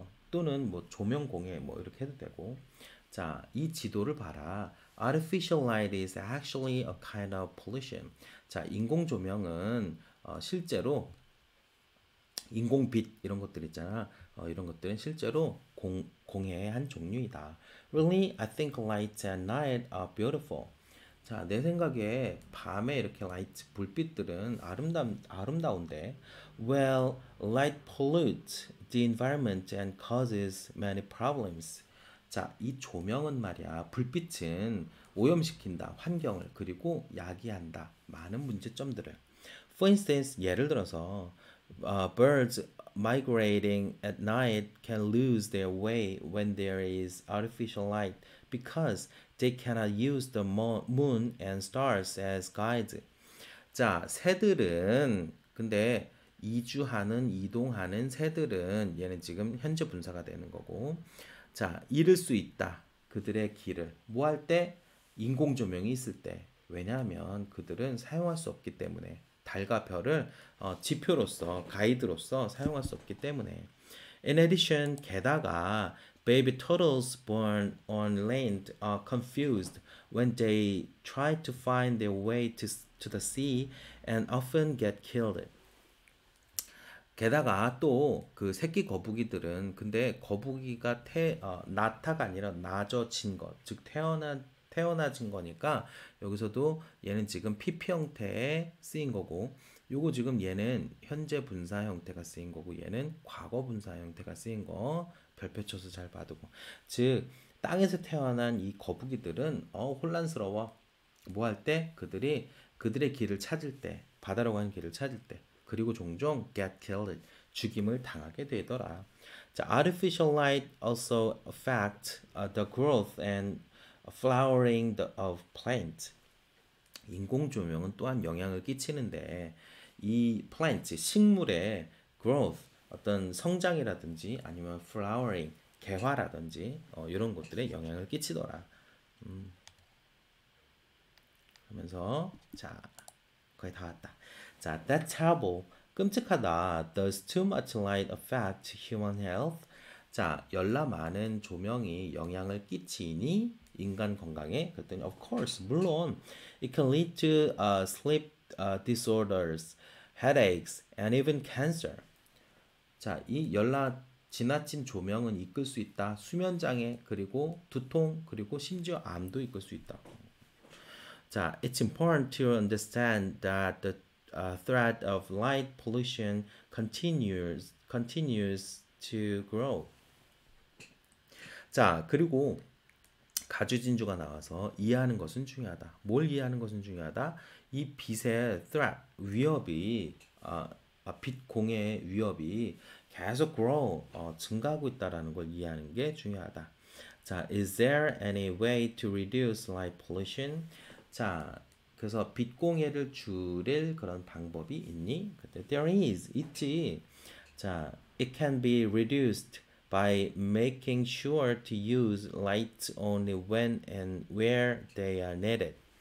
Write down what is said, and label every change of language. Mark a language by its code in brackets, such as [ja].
[ko] 또는 뭐 조명 공해 뭐 이렇게 해도 되고. 자, 이 지도를 봐라. [en] Artificial light is actually a kind of pollution. [ko] 자, 인공 조명은 실제로 인공 빛 이런 것들 있잖아. 이런 것들은 실제로 공해의 한 종류이다. [en] Really, I think lights at night are beautiful. [ko] 자, 내 생각에 밤에 이렇게 라이트 불빛들은 아름다운데. [en] Well, light pollutes the environment and causes many problems. [ko] 자, 이 조명은 말이야, 불빛은 오염시킨다, 환경을, 그리고 야기한다, 많은 문제점들을. [en] For instance, [ko] 예를 들어서, [en] birds migrating at night can lose their way when there is artificial light because they cannot use the moon and stars as guides. [ko] 자, 새들은, 근데, 이주하는, 이동하는 새들은, 얘는 지금 현재 분사가 되는 거고, 자, 잃을 수 있다. 그들의 길을. 뭐할 때? 인공 조명이 있을 때. 왜냐하면 그들은 사용할 수 없기 때문에. 달과 별을 지표로서, 가이드로서 사용할 수 없기 때문에. [en] In addition, [ko] 게다가 [en] baby turtles born on land are confused when they try to find their way to the sea and often get killed. [ko] 게다가 또그 새끼 거북이들은 근데 거북이가 나타가 아니라 나져진 것, 즉 태어나진 거니까 여기서도 얘는 지금 PP 형태에 쓰인 거고 요거 지금 얘는 현재 분사 형태가 쓰인 거고 얘는 과거 분사 형태가 쓰인 거 별표 쳐서 잘 봐두고 즉 땅에서 태어난 이 거북이들은 혼란스러워 뭐할때 그들의 길을 찾을 때 바다로 가는 길을 찾을 때 그리고 종종 [en] get killed, [ko] 죽임을 당하게 되더라. [en] 자, artificial light also affect the growth and flowering of plants. [ko] 인공 조명은 또한 영향을 끼치는데 이 plants, 식물의 growth, 어떤 성장이라든지 아니면 flowering, 개화라든지 이런 것들에 영향을 끼치더라. 하면서 자 거의 다 왔다. 자, [en] that's terrible. [ko] 끔찍하다. [en] Does too much light affect human health? [ko] 자, 열나 많은 조명이 영향을 끼치니 인간 건강에? 그랬더니 [en] of course, [ko] 물론 [en] it can lead to sleep disorders, headaches, and even cancer. [ko] 자, 이 열나 지나친 조명은 이끌 수 있다. 수면 장애, 그리고 두통, 그리고 심지어 암도 이끌 수 있다. [en] 자, it's important to understand that the threat of light pollution continues to grow. [ko] 자, 그리고 가주진주가 나와서 이해하는 것은 중요하다. 뭘 이해하는 것은 중요하다? 이 빛의 threat, 위협이, 빛 공해의 위협이 계속 grow, 증가하고 있다는 걸 이해하는 게 중요하다. [en] 자, is there any way to reduce light pollution? [ko] 자, 그래서 빛 공해를 줄일 그런 방법이 있니? 그때 [en] there is, [ko] 있지. [en] 자, it can be reduced by making sure to use lights only when and where they are needed.